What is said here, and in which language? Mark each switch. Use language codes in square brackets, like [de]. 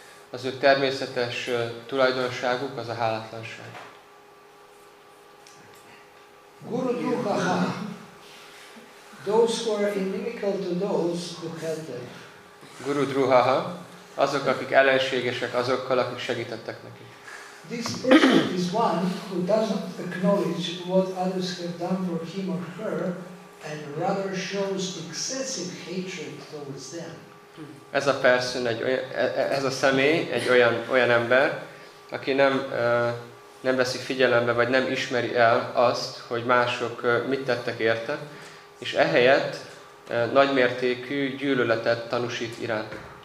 [hu] Az ő természetes tulajdonságuk az a hálátlanság. [en] Guru Druhaha, those who are inimical to those who help them. [hu] Guru Druhaha, azok, akik ellenségesek azokkal, akik segítettek neki. [en] This person is one who does not acknowledge what others have done for him or her, and rather shows excessive hatred towards them. [hu] Ez a person, ez a személy egy olyan ember, aki nem veszi figyelembe, vagy nem ismeri el azt, hogy mások mit tettek érte, és ehelyett nagymértékű gyűlöletet tanúsít iránt.